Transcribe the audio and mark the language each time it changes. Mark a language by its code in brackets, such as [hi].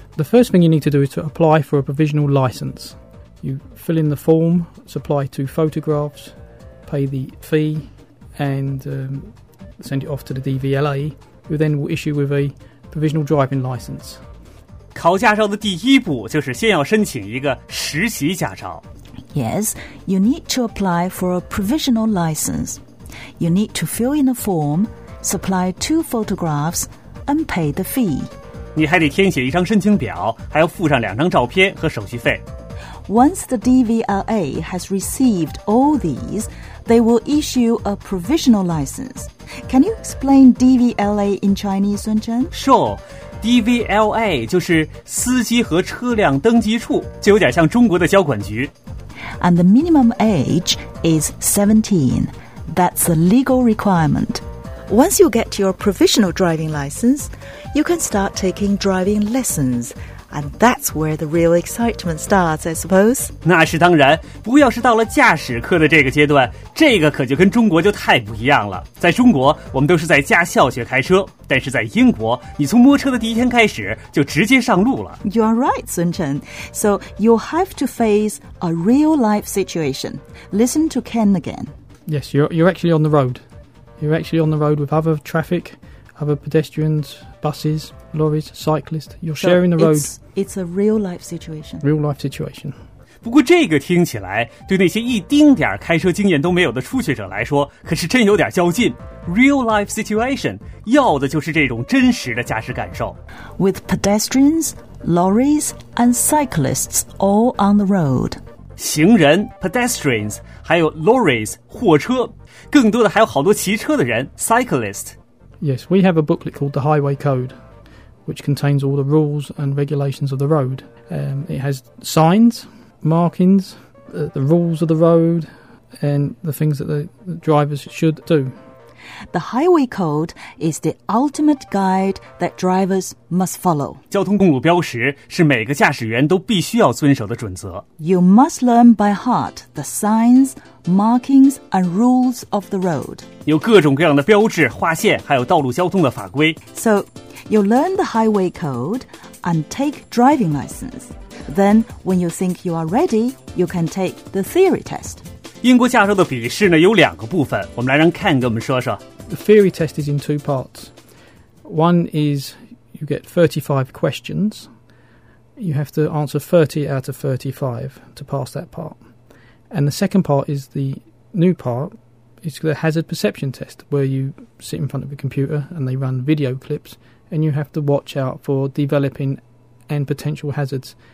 [en] The first thing you need to do is to apply for a provisional license. You fill in the form, supply 2 photographs, pay the fee, and send it off to the DVLA, who then will issue with a provisional driving license. [zh] 考驾照的第一步就是先要申请一个实习驾照。 [en] Yes, you need to apply for a provisional license. You need to fill in a form, supply 2 photographs, and pay the fee. [zh] 你还得填写一张申请表，还要附上2张照片和手续费。 [en] Once the DVLA has received all these, they will issue a provisional license. Can you explain DVLA in Chinese, Sun Chen? Sure. [zh] DVLA 就是司机和车辆登记处，就有点像中国的交管局。 [en] And the minimum age is 17. That's a legal requirement. Once you get your provisional driving license, you can start taking driving lessons. And that's where the real excitement starts, I suppose. [zh] 那是当然，不过要是到了驾驶课的这个阶段，这个可就跟中国就太不一样了。在中国，我们都是在驾校学开车，但是在英国，你从摸车的第一天开始就直接上路了。 [en] You are right, Sun Chen. So you'll have to face a real-life situation. Listen to Ken again. Yes, you're actually on the road. You're actually on the road with other traffic, other pedestrians, buses, lorries, cyclists. You're sharing the road. It's a real-life situation. Real-life situation. [zh] 不过这个听起来对那些一丁点开车经验都没有的初学者来说可是真有点较劲。 [en] Real-life situation [zh] 要的就是这种真实的驾驶感受。 [en] With pedestrians, lorries, and cyclists all on the road. [zh] 行人 pedestrians, 还有 lorries, 货车。更多的还有好多骑车的人 cyclists。 [en] Yes, we have a booklet called The Highway Code, which contains all the rules and regulations of the road. It has signs, markings, the rules of the road, and the things that the drivers should do. The Highway Code is the ultimate guide that drivers must follow. [zh] 交通公路标识是每个驾驶员都必须要遵守的准则。 [en] You must learn by heart the signs, markings, and rules of the road. [zh] 有各种各样的标志、划线，还有道路交通的法规。 [en] So, you learn the Highway Code and take driving license. Then, when you think you are ready, you can take the theory test. [zh] 英国驾照的笔试呢有两个部分，我们来让 Ken 给我们说说。 [en] The theory test is in two parts. One is you get 35 questions. You have to answer 30 out of 35 to pass that part. And the second part is the new part. It's the hazard perception test, where you sit in front of a computer and they run video clips, and you have to watch out for developing and potential hazards.